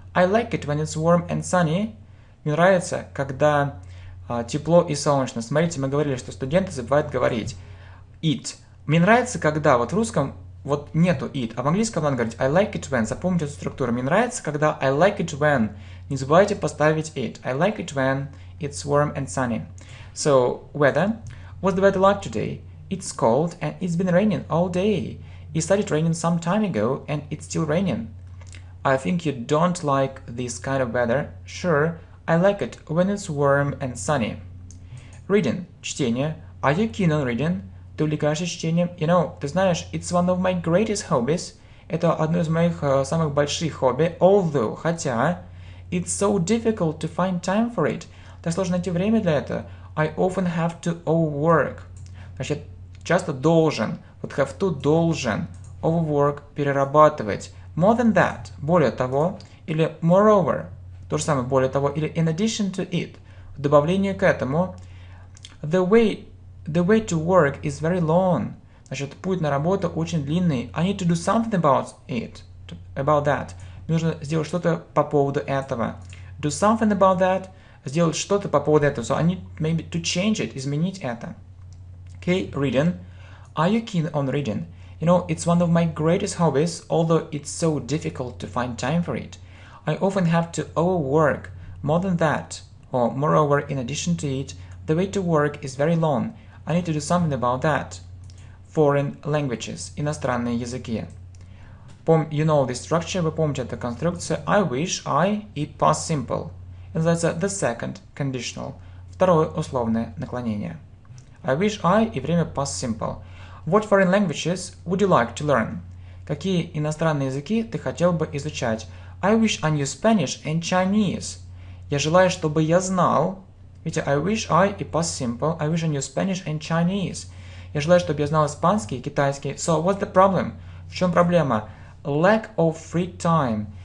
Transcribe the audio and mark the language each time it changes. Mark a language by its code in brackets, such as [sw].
[en] I like it when it's warm and sunny. [ru] Мне нравится, когда тепло и солнечно. Смотрите, мы говорили, что студенты забывают говорить it. Мне нравится, когда вот в русском вот нету it, а в английском надо говорить [en] I like it when. [ru] Запомните эту структуру. Мне нравится, когда [en] I like it when. [ru] Не забывайте поставить it. [en] I like it when it's warm and sunny. So, weather. What's the weather like today? It's cold and it's been raining all day. It started raining some time ago and it's still raining. I think you don't like this kind of weather. Sure, I like it when it's warm and sunny. Reading. [ru] Чтение. [en] Are you keen on reading? [ru] Ты увлекаешься чтением? [en] You know, [ru] ты знаешь, [en] it's one of my greatest hobbies. [ru] Это одно из моих самых больших хобби. [en] Although, [ru] хотя, [en] it's so difficult to find time for it. [ru] Так сложно найти время для этого. [en] I often have to overwork. [ru] Значит, часто должен. Вот [en] have to [ru] должен. [en] Overwork, [ru] перерабатывать. [en] More than that, [ru] более того. Или [en] moreover. [ru] То же самое, более того, или [en] in addition to it, [ru] в добавлении к этому, [en] the way to work is very long. [ru] Значит, путь на работу очень длинный. [en] I need to do something about it, about that. [ru] Мне нужно сделать что-то по поводу этого. [en] Do something about that, [ru] сделать что-то по поводу этого. [en] So I need maybe to change it, [ru] изменить это. [en] Okay, reading. Are you keen on reading? You know, it's one of my greatest hobbies, although it's so difficult to find time for it. I often have to overwork. More than that, or moreover, in addition to it, the way to work is very long. I need to do something about that. Foreign languages, [ru] иностранные языки. [en] You know this structure, [ru] вы помните эту конструкцию. [en] I wish, I, и past simple. It [ru] называется [en] the second conditional. [ru] Второе условное наклонение. [en] I wish, I, [ru] и время [en] past simple. What foreign languages would you like to learn? [ru] Какие иностранные языки ты хотел бы изучать? [en] I wish I knew Spanish and Chinese. [ru] Я желаю, чтобы я знал. Видите, [en] I wish I и past simple. I wish I knew Spanish and Chinese. [ru] Я желаю, чтобы я знал испанский и китайский. [en] So, what's the problem? [ru] В чем проблема? [en] Lack of free time.